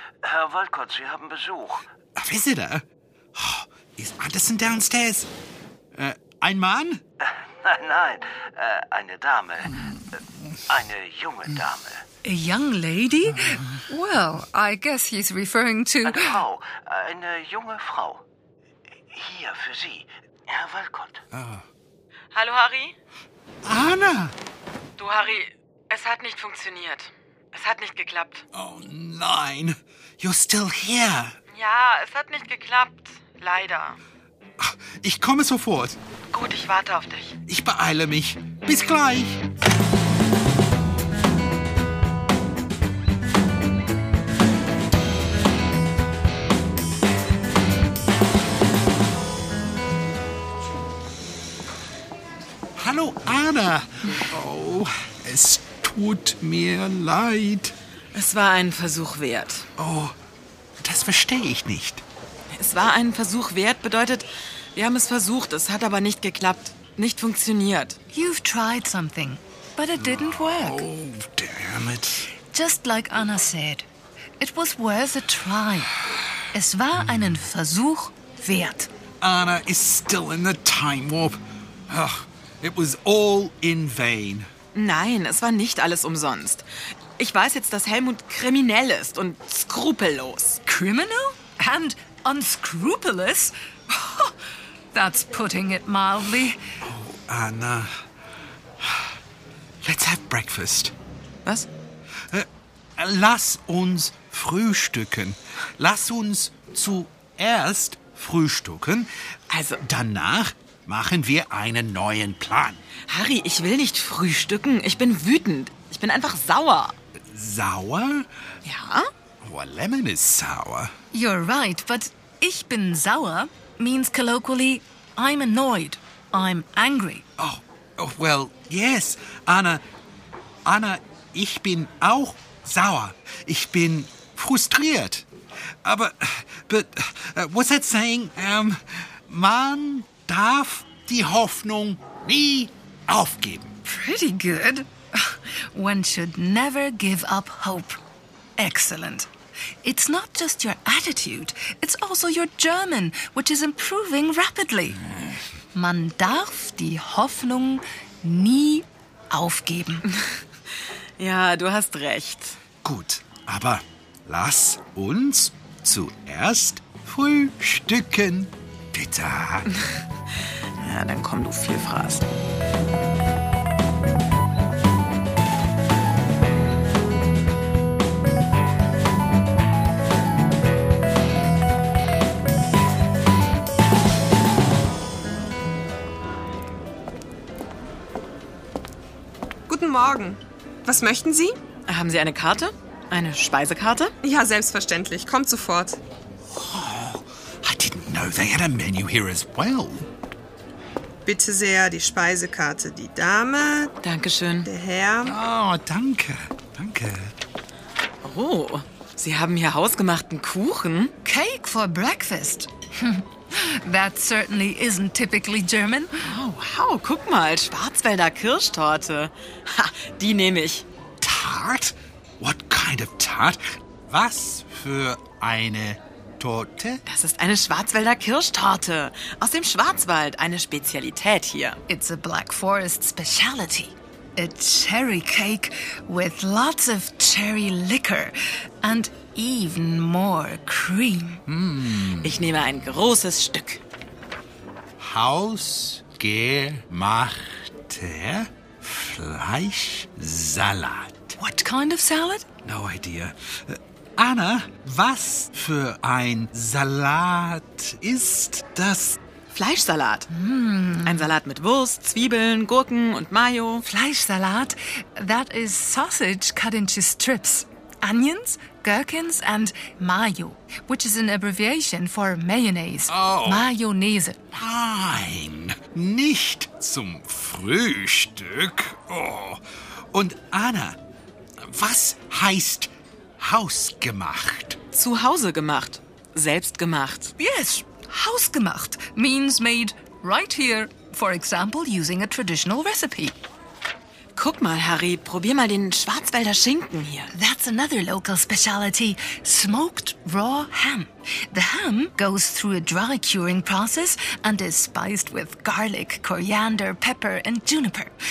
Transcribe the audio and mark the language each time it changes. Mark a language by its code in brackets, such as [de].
[de] Herr Walcott, Sie haben Besuch. [en] A visitor? Oh, is Anderson downstairs? [de] Ein Mann? Nein, eine Dame. Eine junge Dame. [en] A young lady? Well, I guess he's referring to... [de] Eine Frau. Eine junge Frau. Hier für Sie, Herr Walcott. Oh. Hallo, Harry. Anna! Du, Harry, es hat nicht funktioniert. Es hat nicht geklappt. [en] Oh [de] nein, [en] you're still here. [de] Ja, es hat nicht geklappt, leider. Ich komme sofort. Gut, ich warte auf dich. Ich beeile mich. Bis gleich. Hallo, Anna. Oh, es tut mir leid. Es war einen Versuch wert. Oh, das verstehe ich nicht. Es war einen Versuch wert bedeutet, wir haben es versucht, es hat aber nicht geklappt, nicht funktioniert. [en] You've tried something, but it didn't work. Oh, damn it. Just like Anna said, it was worth a try. Es war einen Versuch wert. Anna is still in the time warp. Oh, it was all in vain. [de] Nein, es war nicht alles umsonst. Ich weiß jetzt, dass Helmut kriminell ist und skrupellos. [en] Criminal? And unscrupulous? That's putting it mildly. Oh, Anna. Let's have breakfast. [de] Was? Lass uns frühstücken. Lass uns zuerst frühstücken. Also, danach machen wir einen neuen Plan. Harry, ich will nicht frühstücken. Ich bin wütend. Ich bin einfach sauer. Sauer? Ja. [en] Well, lemon is sour. You're right, but [de] ich bin sauer [en] means colloquially, I'm annoyed. I'm angry. Oh, well, yes. [de] Anna, ich bin auch sauer. Ich bin frustriert. [en] But what's that saying? [de] Man darf die Hoffnung nie aufgeben. [en] Pretty good. One should never give up hope. Excellent. It's not just your attitude, it's also your German, which is improving rapidly. [de] Man darf die Hoffnung nie aufgeben. Ja, du hast recht. Gut, aber lass uns zuerst frühstücken. Bitte. Ja, dann komm du viel Fraß. Guten Morgen. Was möchten Sie? Haben Sie eine Karte? Eine Speisekarte? Ja, selbstverständlich. Kommt sofort. [en] Oh, I didn't know they had a menu here as well. [de] Bitte sehr, die Speisekarte. Die Dame. Dankeschön. Der Herr. Oh, danke. Danke. Oh, Sie haben hier hausgemachten Kuchen. [en] Cake for breakfast. That certainly isn't typically German. [de] Oh, wow, guck mal, Schwarzwälder Kirschtorte. Ha, die nehme ich. [en] Tart? What kind of tart? [de] Was für eine Torte? Das ist eine Schwarzwälder Kirschtorte. Aus dem Schwarzwald, eine Spezialität hier. [en] It's a Black Forest speciality. a cherry cake with lots of cherry liquor and even more cream. Mm. [de] Ich nehme ein großes Stück. Hausgemachter Fleischsalat. [en] What kind of salad? No idea. [de] Anna, was für ein Salat ist das? Fleischsalat. Ein Salat mit Wurst, Zwiebeln, Gurken und Mayo. Fleischsalat? [en] That is sausage cut into strips. Onions, gherkins and Mayo, which is an abbreviation for mayonnaise. Oh. [de] Mayonnaise. Nein, nicht zum Frühstück. Oh. Und Anna, was heißt hausgemacht? Zu Hause gemacht, selbst gemacht. [en] Yes, hausgemacht means made right here, for example using a traditional recipe. [de] Guck mal, Harry, probier mal den Schwarzwälder Schinken hier. [en] That's another local speciality, smoked raw ham. The ham goes through a dry curing process and is spiced with garlic, coriander, pepper and juniper.